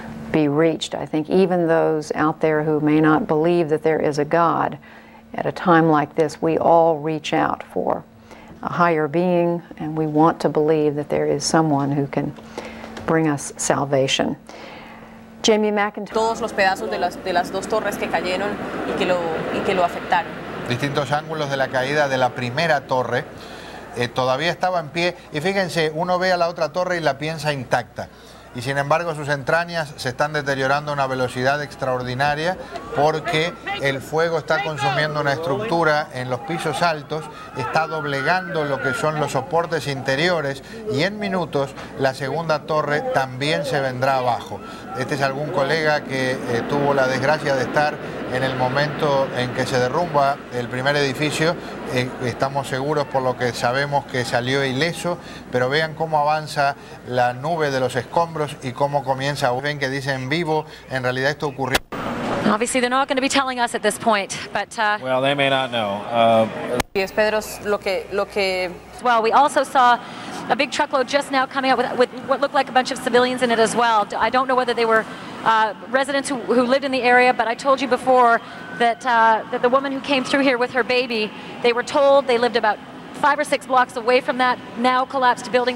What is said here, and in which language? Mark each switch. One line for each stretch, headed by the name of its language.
English: be reached. I think even those out there who may not believe that there is a God, at a time like this, we all reach out for a higher being, and we want to believe that there is someone who can bring us salvation. Jamie McIntyre.
Spanish: Todos los pedazos de las dos torres que cayeron y que lo afectaron. Distintos ángulos de la caída de la primera torre. Todavía estaba en pie, y fíjense, uno ve a la otra torre y la piensa intacta, y sin embargo sus entrañas se están deteriorando a una velocidad extraordinaria porque el fuego está consumiendo una estructura en los pisos altos, está doblegando lo que son los soportes interiores, y en minutos la segunda torre también se vendrá abajo. Este es algún colega que tuvo la desgracia de estar en el momento en que se derrumba el primer edificio. Estamos seguros, por lo que sabemos, que salió ileso, pero vean cómo avanza la nube de los escombros y cómo comienza. Ven que dice en vivo, en realidad esto ocurrió.
English: Obviously they're not going to be telling us at this point, but well, they may not know. Well, we also saw a big truckload just now coming out with what looked like a bunch of civilians in it as well. I don't know whether they were residents who lived in the area, but I told you before that that the woman who came through here with her baby, they were told they lived about 5 or 6 blocks away from that now collapsed building.